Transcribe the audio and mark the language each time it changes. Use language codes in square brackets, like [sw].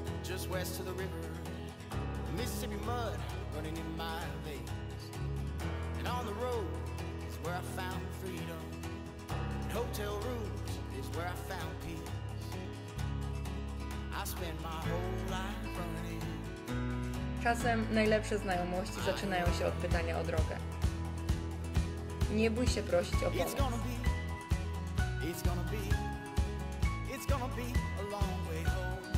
[en] Just west of the river, Mississippi mud running in my veins. And on the road is where I found freedom. And hotel rooms is where I found peace. I spent my whole life running. [pl] Czasem najlepsze znajomości zaczynają się od pytania o drogę. Nie bój się prosić o pomoc. [en] It's gonna be, it's gonna be, it's gonna be a long way home.